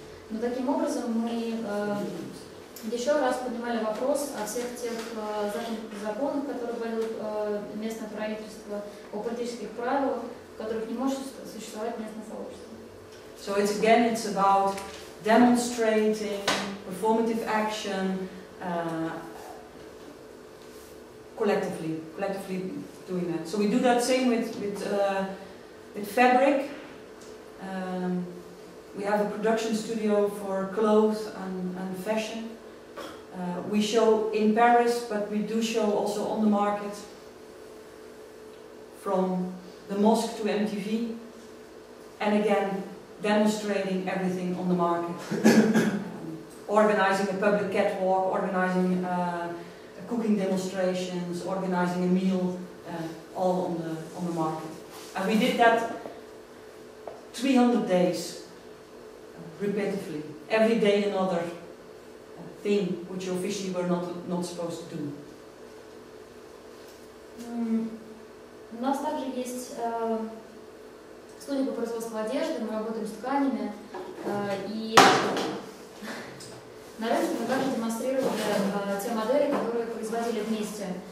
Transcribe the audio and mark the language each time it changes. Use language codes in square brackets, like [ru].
[ru] Но таким образом мы еще раз поднимали вопрос о всех тех законах, которые вводило местное правительство, о политических правилах, в которых не может существовать местное сообщество. [en] So it's again, it's about demonstrating, performative action, collectively doing that. So we do that same with fabric. We have a production studio for clothes and fashion. We show in Paris, but we do show also on the market, from the mosque to MTV, and again, demonstrating everything on the market, organizing a public catwalk, organizing cooking demonstrations, organizing a meal, all on the market. And we did that 300 days, repetitively, every day another thing which you officially were not supposed to do. [ru] Студия по производству одежды, мы работаем с тканями, и на рынке мы также демонстрировали те модели, которые производили вместе.